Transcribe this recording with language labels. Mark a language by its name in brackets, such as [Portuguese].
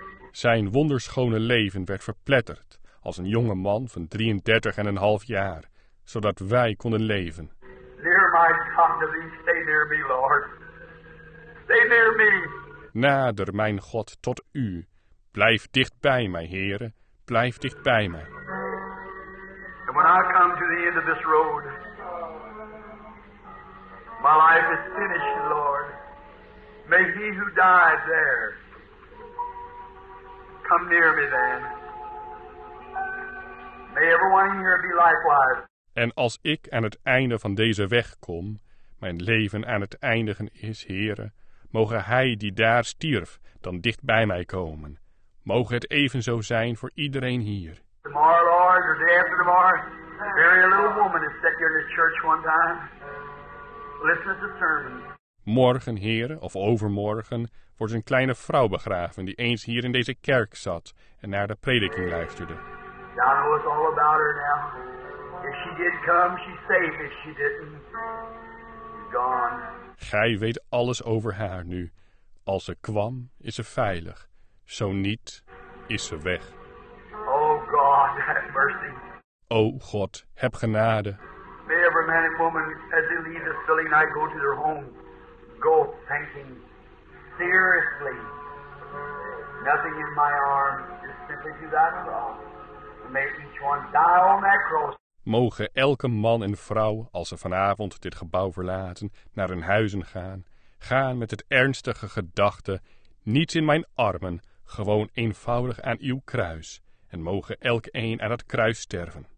[Dutch] Zijn wonderschone leven werd verpletterd als een jonge man van 33,5 jaar, zodat wij konden leven. [English] Near my God, stay near me, Lord. Stay near me. [Dutch] Nader mijn God tot u. Blijf dicht bij mij, Heere. Blijf dicht bij mij. [English] And when I come to the end of this road, my life is finished, Lord. May he who died there come near me then. May everyone here be likewise. [Dutch] En als ik aan het einde van deze weg kom, mijn leven aan het eindigen is, Heere, mogen hij die daar stierf dan dicht bij mij komen. Mogen het even zo zijn voor iedereen hier. [English] Tomorrow, Lord, or day after tomorrow, bury a little woman that sat here in the church one time. Listen to the sermon. [Dutch] Morgen, Heere, of overmorgen, wordt een kleine vrouw begraven die eens hier in deze kerk zat en naar de prediking luisterde. [English] God knows all about her now. If she did come, she's safe. If she didn't, she's gone. [Dutch] Gij weet alles over haar nu. Als ze kwam, is ze veilig. Zo niet, is ze weg. [English] Oh God, have mercy. [Dutch] O God, heb genade. [English] May every man and woman, as they leave this silly night, go to their home. Go thanking. Seriously. Nothing in my arm, just simply to that cross. May each one die on that cross. [Dutch] Mogen elke man en vrouw, als ze vanavond dit gebouw verlaten, naar hun huizen gaan. Gaan met het ernstige gedachte, niets in mijn armen, gewoon eenvoudig aan uw kruis. En mogen elk een aan het kruis sterven.